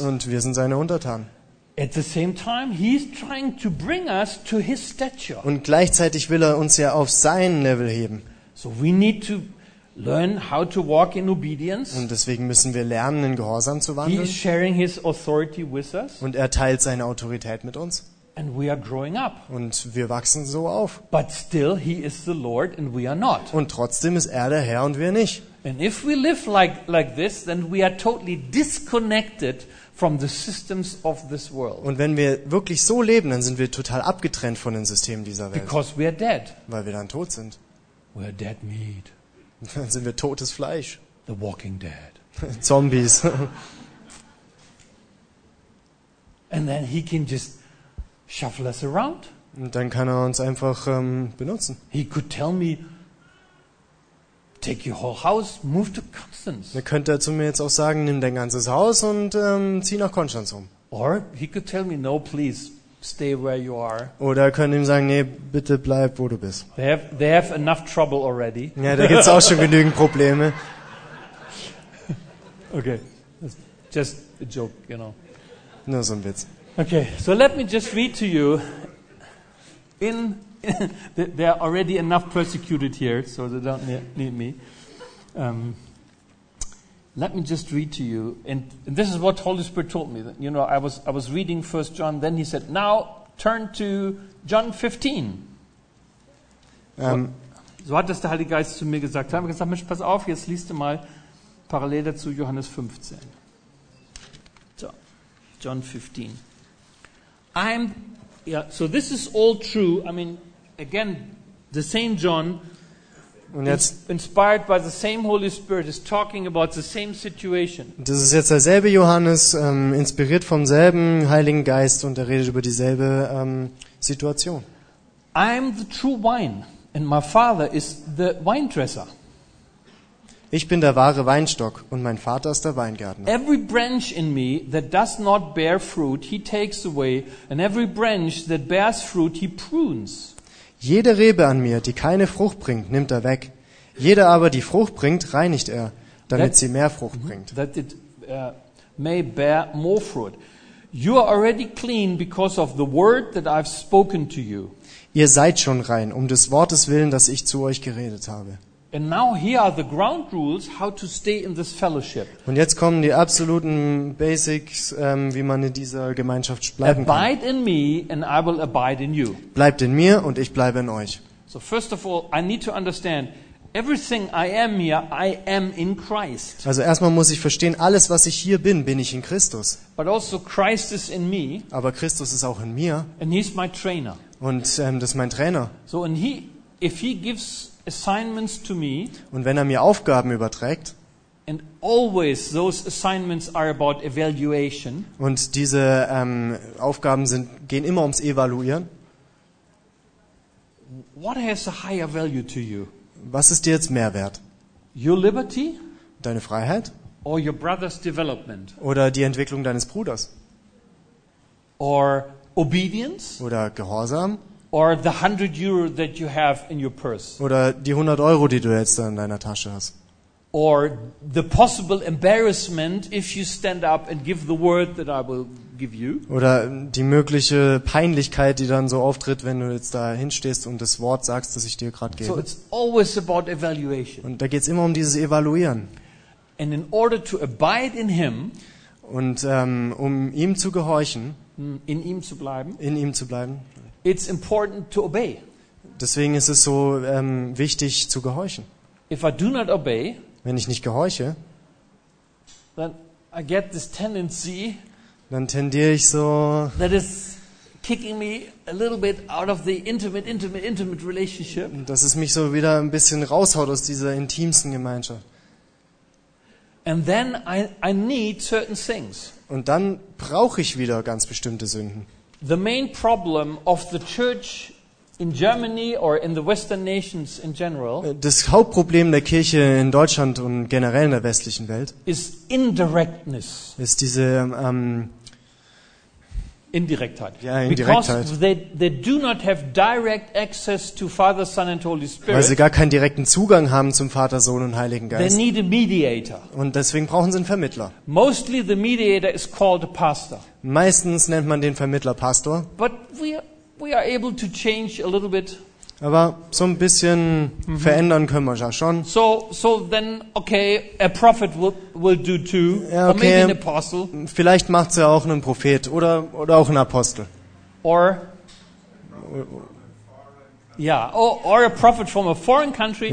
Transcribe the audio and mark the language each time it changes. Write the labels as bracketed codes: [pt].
[de] Und wir sind seine Untertanen. [en] At the same time, he is trying to bring us to his stature. [de] Und gleichzeitig will er uns ja auf sein Level heben. [en] So we need to learn how to walk in obedience. [de] Und deswegen müssen wir lernen, in Gehorsam zu wandeln. [en] He is sharing his authority with us. [de] Und er teilt seine Autorität mit uns. [en] And we are growing up. [de] Und wir wachsen so auf. [en] But still he is the Lord and we are not. [de] Und trotzdem ist er der Herr und wir nicht. [en] And if we live like this, then we are totally disconnected from the systems of this world. [de] Und wenn wir wirklich so leben, dann sind wir total abgetrennt von den Systemen dieser Welt. [en] Because we are dead. [de] Weil wir dann tot sind. [en] We are dead meat. [de] Dann sind wir totes Fleisch. [en] The walking dead. [de] Zombies. [en] And then he can just shuffle us around. [de] Und dann kann er uns einfach benutzen. [en] He could tell me, take your whole house, move to Constance. [de] Dann könnte er zu mir jetzt auch sagen, nimm dein ganzes Haus und zieh nach Konstanz um. [en] Or he could tell me, no, please stay where you are. [de] Oder er könnte ihm sagen, nee, bitte bleib, wo du bist. [en] They have enough trouble already. [de] Ja, da gibt's auch schon genügend Probleme. [en] Okay, that's just a joke, you know. [de] Nur so ein Witz. [en] Okay, so let me just read to you. In there are already enough persecuted here, so they don't need me. Let me just read to you, and this is what Holy Spirit told me. You know, I was reading 1 John, then he said, "Now turn to John 15." [de] So hat das der Heilige Geist zu mir gesagt. Ich habe gesagt, Mensch, pass auf, jetzt liest du mal parallel dazu Johannes 15. [en] So, John 15. So this is all true. I mean, again, the same John, [de] und jetzt, [en] inspired by the same Holy Spirit, is talking about the same situation. [de] Das ist jetzt derselbe Johannes, inspiriert vom selben Heiligen Geist, und er redet über dieselbe Situation. [en] I'm the true wine, and my father is the wine dresser. [de] Ich bin der wahre Weinstock, und mein Vater ist der Weingärtner. [en] Every branch in me that does not bear fruit, he takes away, and every branch that bears fruit, he prunes. [de] Jede Rebe an mir, die keine Frucht bringt, nimmt er weg. Jede aber, die Frucht bringt, reinigt er, damit sie mehr Frucht bringt. [en] That it may bear more fruit. You are already clean because of the word that I've spoken to you. [de] Ihr seid schon rein, um des Wortes willen, das ich zu euch geredet habe. [en] And now here are the ground rules how to stay in this fellowship. [de] Und jetzt kommen die absoluten Basics, wie man in dieser Gemeinschaft bleiben kann. [en] Abide in me and I will abide in you. [de] Bleibt in mir und ich bleibe in euch. [en] So first of all, I need to understand everything I am here, I am in Christ. [de] Also erstmal muss ich verstehen, alles was ich hier bin, bin ich in Christus. [en] But also Christ is in me. [de] Aber Christus ist auch in mir. [en] And he's my trainer. [de] Und das ist mein Trainer. [en] So and he, if he gives assignments to me, [de] und wenn er mir Aufgaben überträgt, [en] and always those assignments are about evaluation, [de] und diese Aufgaben sind, gehen immer ums Evaluieren, [en] what has a higher value to you? [de] Was ist dir jetzt mehr wert? [en] Your liberty? [de] Deine Freiheit? [en] Or your brother's development? [de] Oder die Entwicklung deines Bruders? [en] Or obedience? [de] Oder Gehorsam? [en] Or the 100 euro that you have in your purse. [de] Oder die 100 Euro, die du jetzt in deiner Tasche hast. [en] Or the possible embarrassment if you stand up and give the word that I will give you. [de] Oder die mögliche Peinlichkeit, die dann so auftritt, wenn du jetzt da hinstehst und das Wort sagst, das ich dir gerade gebe. [en] So it's always about evaluation. [de] Und da geht's immer um dieses Evaluieren. [en] And in order to abide in him, [de] und um ihm zu gehorchen, in ihm zu bleiben. In ihm zu bleiben. [en] It's important to obey. [de] Deswegen ist es so wichtig zu gehorchen. [en] If I do not obey, [de] wenn ich nicht gehorche, [en] then I get this tendency, [de] dann tendiere ich so, [en] that is kicking me a little bit out of the intimate relationship. [de] Dass es mich so wieder ein bisschen raushaut aus dieser intimsten Gemeinschaft. [en] And then I need certain things. [de] Und dann brauche ich wieder ganz bestimmte Sünden. [en] The main problem of the church in Germany or in the Western nations in general, [de] das Hauptproblem der Kirche in Deutschland und generell in der westlichen Welt, [en] is indirectness. [de] Ist diese Indirektheit. Ja, Indirektheit. [en] Because they do not have direct access to Father, Son and Holy Spirit. [de] Weil sie gar keinen direkten Zugang haben zum Vater, Sohn und Heiligen Geist. [en] They need a mediator. [de] Und deswegen brauchen sie einen Vermittler. [en] Mostly the mediator is called a pastor. [de] Meistens nennt man den Vermittler Pastor. [en] But we are able to change a little bit. [de] Aber so ein bisschen verändern können wir ja schon. [en] So then okay, a prophet will do too. [de] Ja, okay. [en] Or maybe an apostle. [de] Vielleicht macht's ja auch einen Prophet oder auch einen Apostel. [en] or a prophet from a foreign country.